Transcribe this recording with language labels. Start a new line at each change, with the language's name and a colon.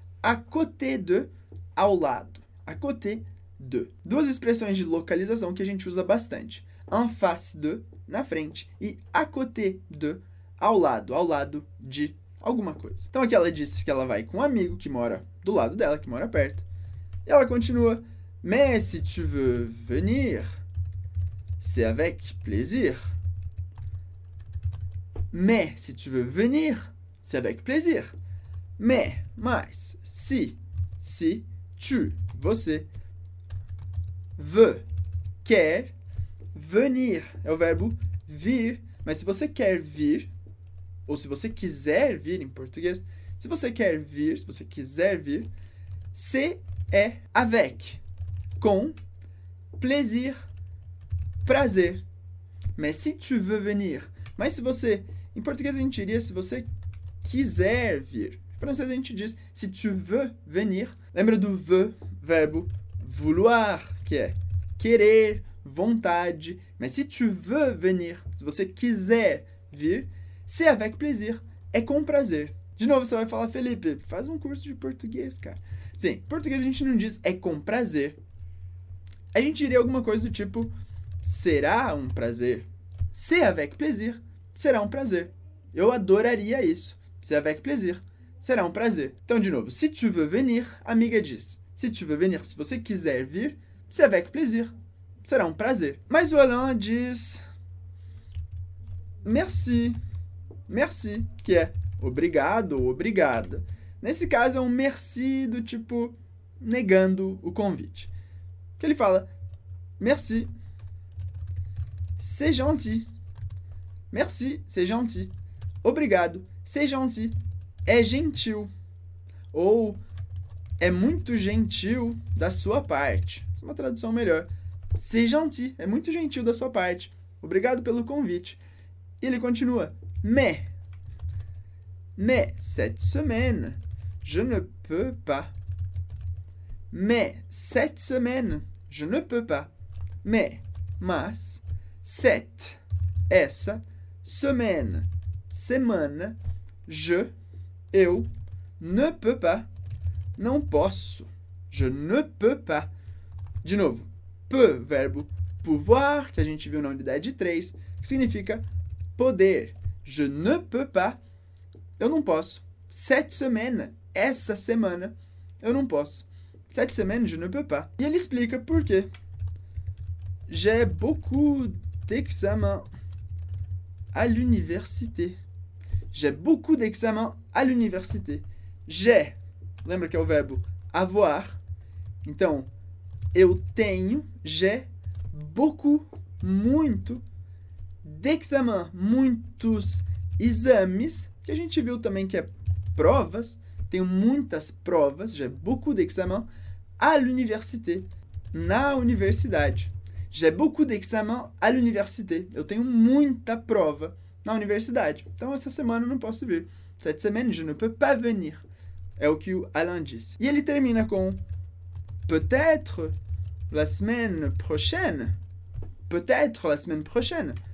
French: À côté de, ao lado. À côté de.
Portuguese: Duas expressões de localização que a gente usa bastante. En face de, na frente. E à côté de, ao lado de alguma coisa. Então, aqui ela disse que ela vai com um amigo que mora do lado dela, que mora perto. E ela continua.
French: Mais si tu veux venir, c'est avec plaisir. Mais si tu veux venir, c'est avec plaisir.
Portuguese: Mas, si, si, tu, você, veut, quer, venir, é o verbo vir, mas se você quer vir, ou se você quiser vir em português, se você quer vir, se você quiser vir, c'est é avec, com, plaisir, prazer.
French: Mais si tu veux venir,
Portuguese: mas se você, em português a gente diria se você quiser vir. Em francês a gente diz,
French: si tu veux venir,
Portuguese: lembra do veux, verbo vouloir, que é querer, vontade, mas si tu veux venir, se você quiser vir, c'est avec plaisir, é com prazer. De novo, você vai falar, Felipe, faz um curso de português, cara. Sim, em português a gente não diz, é com prazer. A gente diria alguma coisa do tipo, será um prazer?
French: C'est avec plaisir,
Portuguese: será um prazer. Eu adoraria isso, c'est avec plaisir. Será um prazer. Então, de novo,
French: si tu veux venir,
Portuguese: a amiga diz.
French: Si tu veux venir,
Portuguese: se você quiser vir,
French: c'est avec plaisir.
Portuguese: Será um prazer. Mas o Alain diz... Merci. Merci, que é obrigado ou obrigada. Nesse caso, é um merci do tipo negando o convite. Que ele fala...
French: Merci. C'est gentil. Merci, c'est gentil. Obrigado, c'est gentil.
Portuguese: É gentil, ou é muito gentil da sua parte. Essa é uma tradução melhor.
French: C'est gentil,
Portuguese: é muito gentil da sua parte. Obrigado pelo convite. E ele continua.
French: Mais cette semaine, je ne peux pas. Mais cette semaine, je ne peux pas. Mais, mas, cette, essa, semaine, semana, je, eu, ne peux pas, não posso, je ne peux pas.
Portuguese: De novo, peu, verbo pouvoir, que a gente viu na unidade 3, que significa poder.
French: Je ne peux pas,
Portuguese: eu não posso.
French: Cette semaine,
Portuguese: essa semana, eu não posso.
French: Cette semaine, je ne peux pas.
Portuguese: E ele explica por quê.
French: J'ai beaucoup d'examens à l'université. J'ai beaucoup d'examens à l'université.
Portuguese: J'ai, lembra que é o verbo avoir. Então, eu tenho, j'ai beaucoup, muito, d'examens, muitos exames, que a gente viu também que é provas, tenho muitas provas,
French: j'ai beaucoup d'examens à l'université,
Portuguese: na universidade.
French: J'ai beaucoup d'examens à l'université.
Portuguese: Eu tenho muita prova na universidade. Então, essa semana eu não posso vir.
French: Cette semaine, je ne peux pas venir.
Portuguese: É o que o Alain disse. E ele termina com
French: peut-être la semaine prochaine. Peut-être la semaine prochaine.